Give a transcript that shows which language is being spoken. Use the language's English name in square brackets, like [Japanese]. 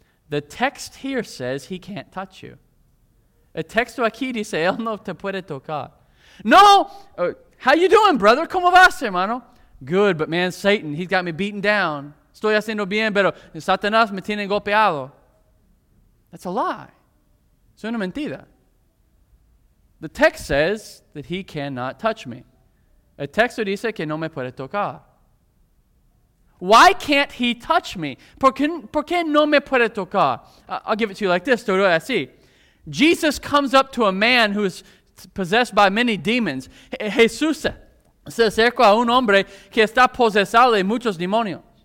[English] The text here says he can't touch you. [Spanish] El texto aquí dice, él no te puede tocar. [English] No! How you doing, brother? [Spanish] ¿Cómo vas, hermano? [English] Good, but man, Satan, he's got me beaten down. [Spanish] Estoy haciendo bien, pero Satanás me tiene golpeado. [English] That's a lie. [Spanish] Es una mentira. [English] The text says that he cannot touch me. [Spanish] El texto dice que no me puede tocar. [English] Why can't he touch me? [Spanish] ¿Por qué no me puede tocar? [English] I'll give it to you like this, [Spanish] todo así. [English] Jesus comes up to a man who is possessed by many demons. [Spanish] Jesús se acerca a un hombre que está posesado de muchos demonios.